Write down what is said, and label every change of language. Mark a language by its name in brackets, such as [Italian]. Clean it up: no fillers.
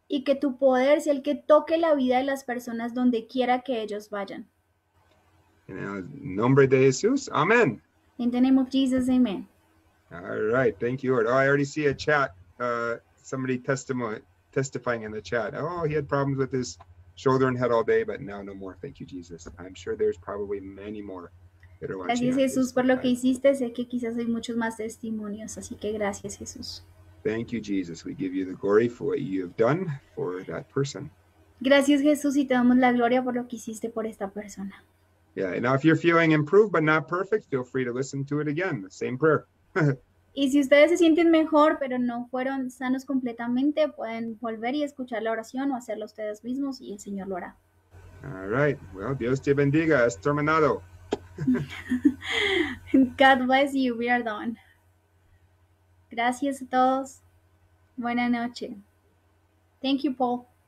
[Spanish] Y que tu poder sea el que toque la vida de las personas donde quiera que ellos vayan. En el nombre de Jesús, amén. [English] In the name of Jesus, amen. All right, thank you, Lord. Oh, I already see a chat, somebody testifying in the chat. Oh, he had problems with his shoulder and head all day, but now no more. Thank you, Jesus. I'm sure there's probably many more. [Spanish] Gracias, Jesús, por lo que hiciste. Sé que quizás hay muchos más testimonios, así que gracias, Jesús. [English] Thank you, Jesus. We give you the glory for what you have done for that person. [Spanish] Gracias, Jesús, y te damos la gloria por lo que hiciste por esta persona. [English] Yeah, now if you're feeling improved but not perfect, feel free to listen to it again, the same prayer. [Spanish] Y si ustedes se sienten mejor pero no fueron sanos completamente, pueden volver y escuchar la oración o hacerlo ustedes mismos y el Señor lo hará. [English] All right. Well, [Spanish] Dios te bendiga. Has terminado. [English] God bless you. We are done. [Spanish] Gracias a todos. Buena noche. [English] Thank you, Paul.